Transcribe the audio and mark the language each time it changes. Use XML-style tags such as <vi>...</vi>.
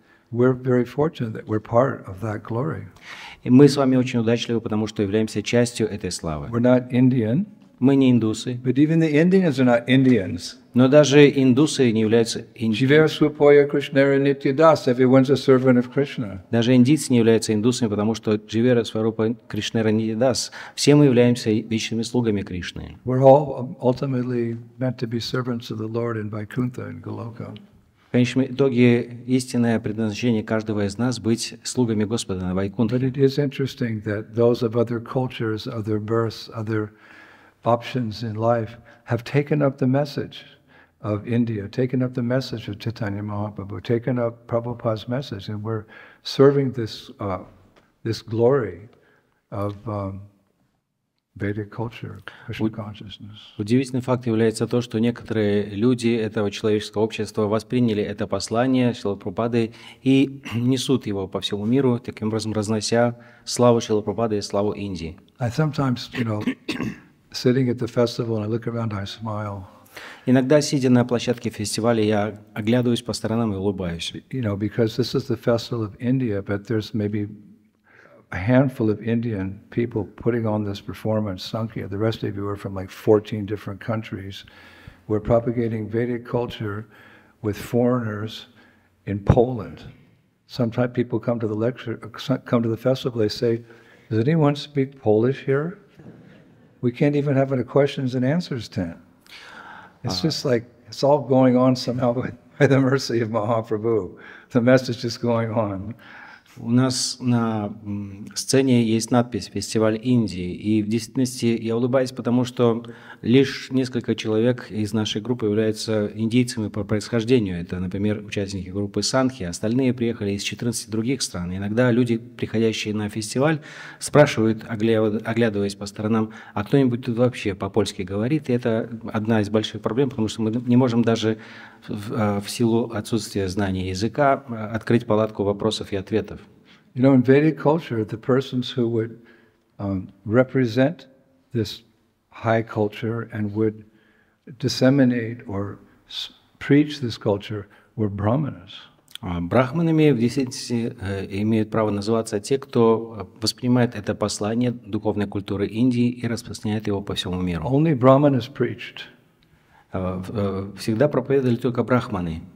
<en>We're very fortunate that we're part of that glory.</en> <ru>И мы с вами очень удачливы, потому что являемся частью этой славы.</ru> <en>We're not Indian.</en> <ru>Мы не индусы.</ru> <en>But even the Indians are not Indians.</en> <ru>Но даже индусы не являются индусами.</ru> <bn>Jiva Swapoya Krishnara Nitya Das.</bn> <en>Everyone's a servant of Krishna.</en> <ru>Даже индийцы не являются индусами, потому что</ru> <bn>Jiva Swarupa Krishnara Nitya Das.</bn> <ru>Все мы являемся вечными слугами Кришны.</ru> <en>We're all ultimately meant to be servants of the Lord in Vaikuntha and Goloka.</en> <ru>В конечном итоге истинное предназначение каждого из нас быть слугами Господа на Вайкунтхе.</ru> <en>But it is interesting that those of other cultures, other births, other options in life have taken up the message of India, taken up the message of Chaitanya Mahaprabhu, taken up Prabhupada's message, and we're serving this glory of Vedic culture, Krishna consciousness.</en> <ru>Удивительным фактом является то, что некоторые люди этого человеческого общества восприняли это послание Шрилы Прабхупады и несут его по всему миру, таким образом разнося славу Шрилы Прабхупады и славу Индии.</ru> <en>I sometimes, you know, sitting at the festival and I look around, I smile.</en> <ru>Иногда, сидя на площадке фестиваля, я оглядываюсь по сторонам и улыбаюсь.</ru> <en>You know, because this is the festival of India, but there's maybe a handful of Indian people putting on this performance, Sankhya. The rest of you are from like 14 different countries. We're propagating Vedic culture with foreigners in Poland. Sometimes people come to the lecture, come to the festival, they say, does anyone speak Polish here? We can't even have a questions and answers tent. It's just like, it's all going on somehow by the mercy of Mahaprabhu. The message is going on.</en> <ru>У нас на сцене есть надпись «Фестиваль Индии». И в действительности я улыбаюсь, потому что лишь несколько человек из нашей группы являются индийцами по происхождению. Это, например, участники группы Санхи. Остальные приехали из 14 других стран. Иногда люди, приходящие на фестиваль, спрашивают, оглядываясь по сторонам, а кто-нибудь тут вообще по-польски говорит? И это одна из больших проблем, потому что мы не можем даже в силу отсутствия знания языка открыть палатку вопросов и ответов.</ru> <en>You know, in Vedic culture, the persons who would represent this high culture and would disseminate or preach this culture were brahmanas.</en> <ru>Брахманами в действительности имеют право называться те, кто воспринимает это послание духовной культуры Индии и распространяет его по всему миру.</ru> <en>Only brahmanas preached.</en> <ru>Всегда проповедовали только брахманы.</ru>